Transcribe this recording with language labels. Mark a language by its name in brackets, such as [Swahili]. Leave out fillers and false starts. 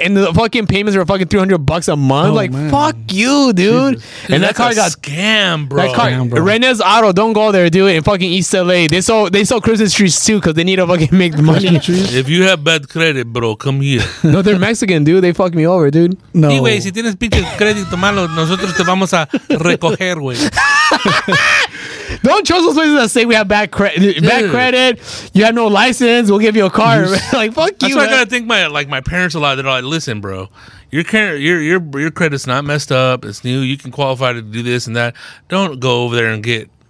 [English] And the fucking payments were fucking $300 a month. Oh, like, man. Fuck you, dude. Jesus. And dude, that car got scam, bro. That car, Renez Auto, don't go there, dude. In fucking East LA. They sell Christmas trees, too, because they need to fucking make the money. If you have bad credit, bro, come here. No, they're Mexican, dude. They fucked me over, dude. No. [Spanish] Anyway, si tienes pinche crédito malo, nosotros te vamos a recoger, güey. [English] Don't trust those places that say we have bad credit. You have no license. We'll give you a car. Like, fuck that's you. That's why I gotta thank my parents a lot. They're like, listen, bro, your credit's not messed up. It's new. You can qualify to do this and that. Don't go over there and get